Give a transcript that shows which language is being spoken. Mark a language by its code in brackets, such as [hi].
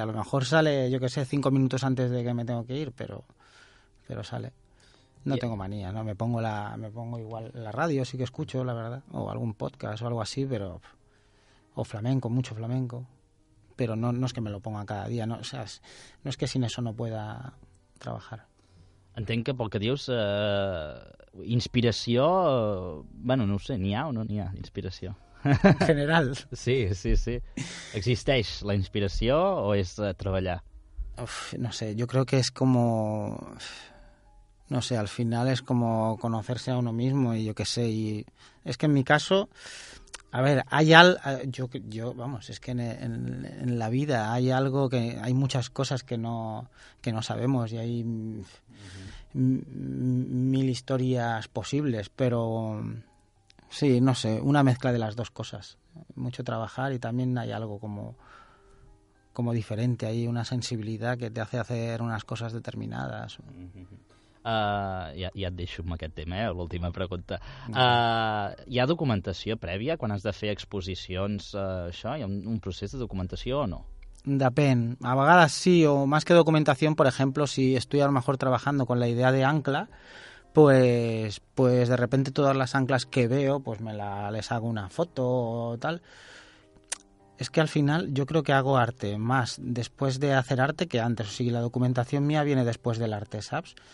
[es] A lo mejor sale, yo qué sé, 5 minutos antes de que me tengo que ir, pero sale. No y... tengo manía, ¿no? Me pongo igual la radio, sí que escucho, la verdad, o algún podcast o algo así, pero... O flamenco, mucho flamenco. Pero no es que me lo ponga cada día, ¿no? O sea, no es que sin eso no pueda trabajar. [ca] Entenc que, pel que dius, inspiració... bueno, no ho sé, n'hi ha o no n'hi ha, inspiració? En general. Sí. ¿Existeix la inspiració o és treballar? [es] No sé, yo creo que es como... No sé, al final es como conocerse a uno mismo y yo qué sé. Y es que en mi caso, a ver, hay algo... Yo, vamos, es que en la vida hay algo que... Hay muchas cosas que no sabemos y hay... mil historias posibles, pero sí, no sé, una mezcla de las dos cosas. Mucho trabajar y también hay algo como diferente, hay una sensibilidad que te hace hacer unas cosas determinadas. [ca] Ja et deixo amb aquest tema, l'última pregunta. Hi ha documentació prèvia quan has de fer exposicions, això? Hi ha un procés de documentació o no? Depèn. A vegades sí, [es] o más que documentación, por ejemplo, si estoy a lo mejor trabajando con la idea de ancla, pues de repente todas las anclas que veo, pues les hago una foto o tal. Es que al final yo creo que hago arte más después de hacer arte que antes. O sea, la documentación mía viene después del arte, ¿sabes?